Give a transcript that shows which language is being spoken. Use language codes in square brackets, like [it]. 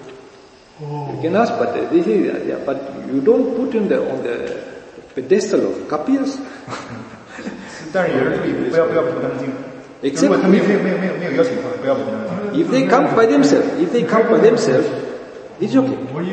[en] You can ask, but this is, yeah, but you don't put him on the pedestal of copiers. [zh] 但是也是注意，不要把他们当成。如果他们没有邀请的话，不要把他们当成。 [en] If they come by themselves, if they come by themselves, it's okay.